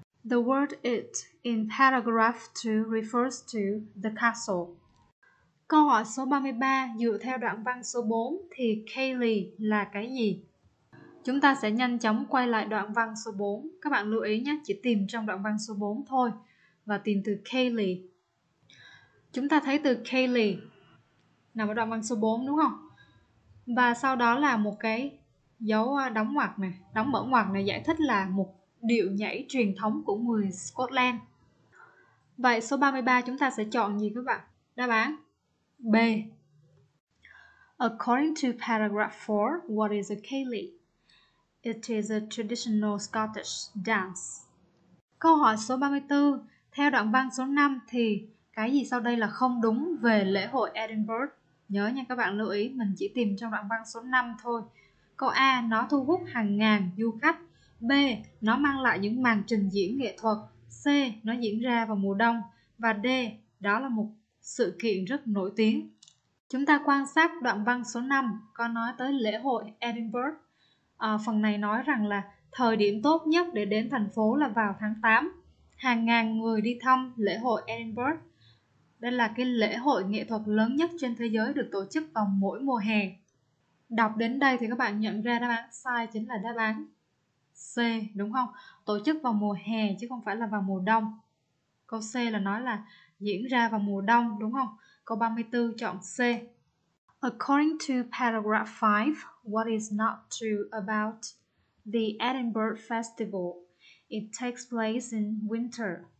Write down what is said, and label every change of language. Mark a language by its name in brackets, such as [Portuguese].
[English] The word it in paragraph 2 refers to the castle. [Vietnamese] Câu hỏi số 33, dựa theo đoạn văn số 4 thì Kaylee là cái gì? Chúng ta sẽ nhanh chóng quay lại đoạn văn số 4. Các bạn lưu ý nhé, chỉ tìm trong đoạn văn số 4 thôi. Và tìm từ Kaylee. Chúng ta thấy từ Kaylee nằm ở đoạn văn số 4 đúng không? Và sau đó là một cái dấu đóng ngoặc này. Đóng mở ngoặc này giải thích là một điệu nhảy truyền thống của người Scotland. Vậy số 33 chúng ta sẽ chọn gì các bạn? Đáp án B. [English] According to paragraph 4, what is a Kaylee? It is a traditional Scottish dance. [Vietnamese] Câu hỏi số 34, theo đoạn văn số 5 thì cái gì sau đây là không đúng về lễ hội Edinburgh? Nhớ nha các bạn, lưu ý mình chỉ tìm trong đoạn văn số 5 thôi. Câu A, nó thu hút hàng ngàn du khách. B, nó mang lại những màn trình diễn nghệ thuật. C, nó diễn ra vào mùa đông. Và D, đó là một sự kiện rất nổi tiếng. Chúng ta quan sát đoạn văn số 5 có nói tới lễ hội Edinburgh. Phần này nói rằng là thời điểm tốt nhất để đến thành phố là vào tháng 8. Hàng ngàn người đi thăm lễ hội Edinburgh. Đây là cái lễ hội nghệ thuật lớn nhất trên thế giới, được tổ chức vào mỗi mùa hè. Đọc đến đây thì các bạn nhận ra đáp án sai chính là đáp án C, đúng không? Tổ chức vào mùa hè chứ không phải là vào mùa đông. Câu C là nói là diễn ra vào mùa đông, đúng không? Câu 34 chọn C. [English] According to paragraph 5, what is not true about the Edinburgh Festival? It takes place in winter.